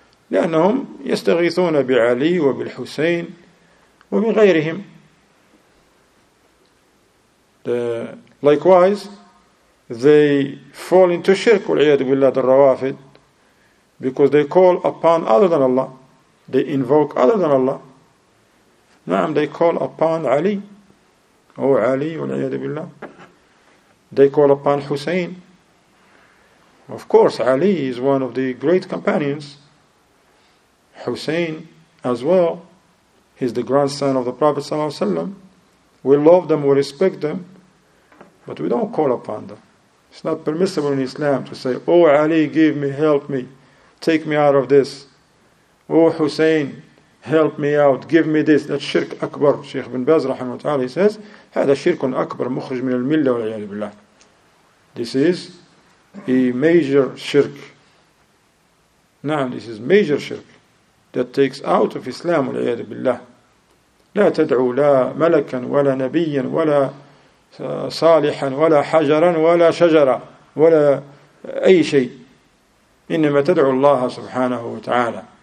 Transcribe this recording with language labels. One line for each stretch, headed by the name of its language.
Arabic: لأنهم يستغيثون بعلي وبالحسين وبغيرهم.
English: Likewise, they fall into shirk,
Arabic: والعياذ بالله,
English: the Rawafid, because they call upon other than Allah. They invoke other than Allah. نعم, they call upon Ali. Oh, Ali, والعياذ بالله. They call upon Hussein. Of course, Ali is one of the great companions. Hussein as well. He's the grandson of the Prophet Sallallahu Alaihi Wasallam. We love them, we respect them, but we don't call upon them. It's not permissible in Islam to say, oh Ali, give me, help me, take me out of this. Oh Hussein, help me out, give me this. That's shirk akbar. Sheikh Ibn Baz rahimahu ta'ala, he says,
Arabic: هذا شرك أكبر مخرج من الملة والعياذ بالله.
English: This is a major shirk. نعم, this is major shirk that takes out of Islam
Arabic: والعياذ بالله. لا تدعو لا ملكا ولا نبيا ولا صالحا ولا حجرا ولا شجرا ولا أي شيء, إنما تدعو الله سبحانه وتعالى.